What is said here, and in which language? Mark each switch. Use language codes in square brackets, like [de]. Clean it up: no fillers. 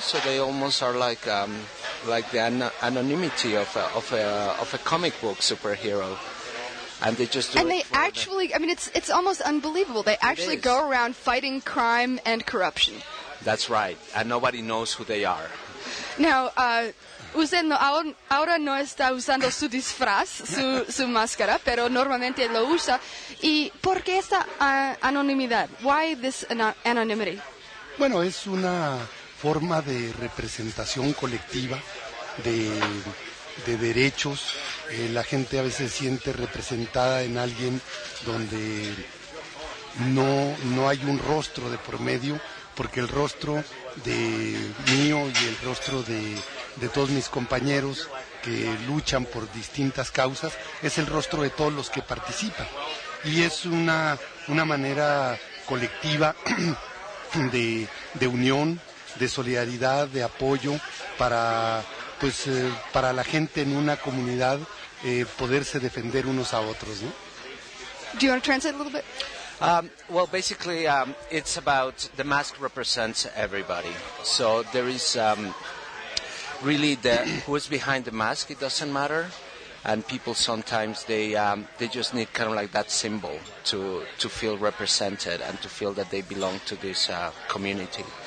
[en] So they almost are like the anonymity of a comic book superhero, and they just do and they actually, them. I mean, it's almost unbelievable. They actually go around fighting crime and corruption. That's right, and nobody knows who they are. Now. [es] Usted no, ahora no está usando su disfraz, su máscara, pero normalmente lo usa. ¿Y por qué esta anonimidad? [en] Why this anonymity? [es] Bueno, es una forma de representación colectiva de derechos. La gente a veces siente representada en alguien donde no hay un rostro de por medio, porque el rostro de mío y el rostro de todos mis compañeros que luchan por distintas causas es el rostro de todos los que participan, y es una manera colectiva de unión, de solidaridad, de apoyo para la gente en una comunidad poderse defender unos a otros, ¿no? [en] Do you want to translate a little bit? Well, basically, it's about the mask represents everybody. So there is really the who is behind the mask. It doesn't matter, and people sometimes they just need kind of like that symbol to feel represented and to feel that they belong to this community.